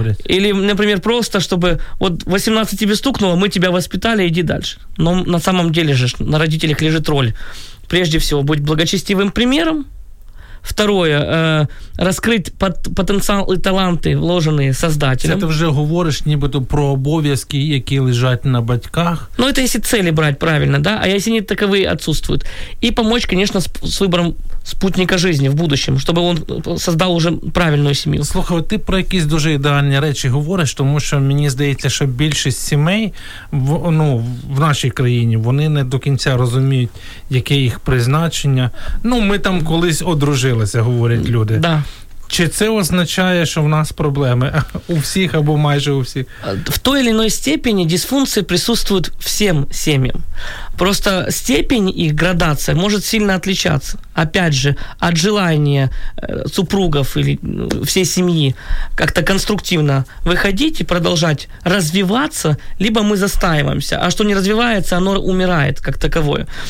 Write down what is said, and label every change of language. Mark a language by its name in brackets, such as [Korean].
[Russian] Или, например, просто, чтобы вот 18 тебе стукнуло, мы тебя воспитали, иди дальше. Но на самом деле же на родителях лежит роль. Прежде всего, быть благочестивым примером, Второе, раскрыть потенциал и таланты, вложенные создателем. [Ukrainian] Это уже говоришь нібито про обов'язки, які лежать на батьках. [Russian] Ну, это если цели брать правильно, да, а если они таковые отсутствуют. И помочь, конечно, с выбором спутника жизни в будущем, чтобы он создал уже правильную семью. [Ukrainian] Слухай, ти про якісь дуже ідеальні речі говориш, тому що мені здається, що більшість сімей в нашій країні, вони не до кінця розуміють, яке їх призначення. Ну, ми там колись одружилися, говорять люди. [Russian] Да. [Ukrainian] Чи це означає, що в нас проблеми? У всіх або майже у всіх? [Russian] В той или иной [Ukrainian] степені дисфункції присутствують всім сім'ям. [Russian] Просто степень их градация может сильно отличаться, опять же, от желания супругов или всей семьи как-то конструктивно выходить и продолжать развиваться, либо мы застаиваемся, а что не развивается, оно умирает как таковое.